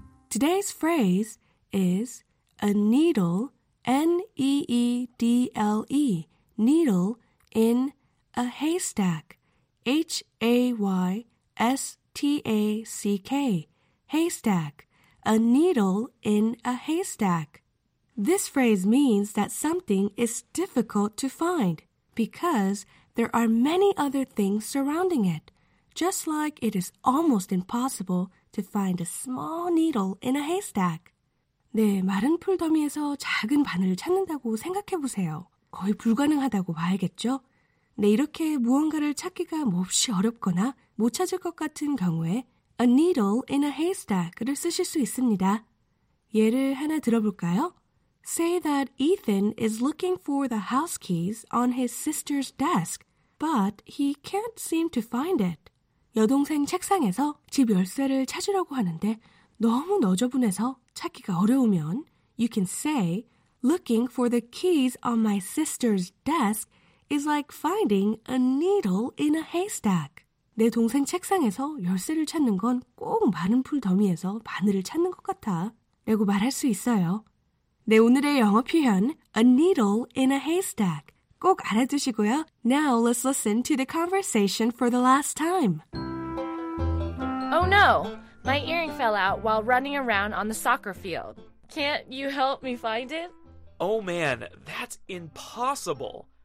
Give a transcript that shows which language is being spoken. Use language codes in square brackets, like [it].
[en] Today's phrase is a needle, N-E-E-D-L-E, needle in a haystack, H-A-Y-S-T-A-C-K, haystack, a needle in a haystack. This phrase means that something is difficult to find because there are many other things surrounding it, just like it is almost impossible to find a small needle in a haystack. [ko] 네, 마른 풀더미에서 작은 바늘을 찾는다고 생각해 보세요. 거의 불가능하다고 봐야겠죠? 네, 이렇게 무언가를 찾기가 몹시 어렵거나 못 찾을 것 같은 경우에 [en] a needle in a haystack [ko] 를 쓰실 수 있습니다. 예를 하나 들어볼까요? [en] Say that Ethan is looking for the house keys on his sister's desk, but he can't seem to find it. [ko] 여동생 책상에서 집 열쇠를 찾으려고 하는데 너무 너저분해서 찾기가 어려우면 [en] you can say, looking for the keys on my sister's desk is like finding a needle in a haystack. [ko] 내 동생 책상에서 열쇠를 찾는 건 꼭 마른 풀 더미에서 바늘을 찾는 것 같아 라고 말할 수 있어요. 네, 오늘의 영어 표현, [en] a needle in a haystack. [ko] 꼭 알아두시고요. [en] Now let's listen to the conversation for the last time. Oh no, my earring fell out while running around on the soccer field. Can't you help me find it? Oh man, that's impossible.